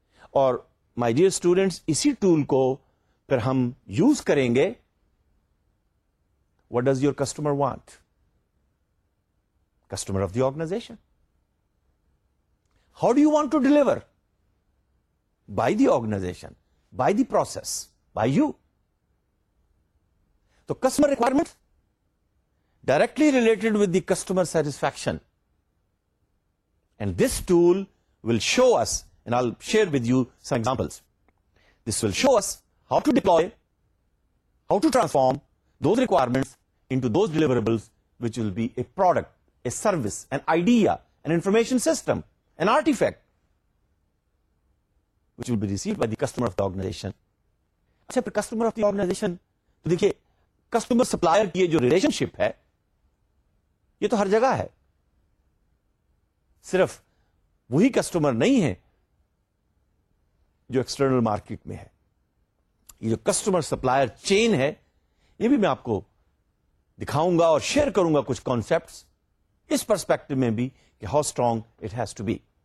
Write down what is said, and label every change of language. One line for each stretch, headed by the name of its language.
English: اور my dear students, اسی tool کو پھر ہم یوز کریں گے، what does your customer want, customer of the organisation, how do you want to deliver by the organisation, by the process, by you. So customer requirement directly related with the customer satisfaction. And this tool will show us, and I'll share with you some examples. This will show us how to deploy, how to transform those requirements into those deliverables which will be a product, a service, an idea, an information system, an artifact, which will be received by the customer of the organization.
Urdu: اچھا پھر customer of the organization, تو دیکھیے customer supplier کی جو relation شپ ہے یہ تو ہر جگہ ہے، صرف وہی کسٹمر نہیں ہے جو ایکسٹرنل مارکیٹ میں ہے، یہ جو کسٹمر سپلائر چین ہے یہ بھی میں آپ کو دکھاؤں گا اور شیئر کروں گا کچھ کانسیپٹ اس پرسپیکٹو میں بھی کہ
English: How strong it has to be.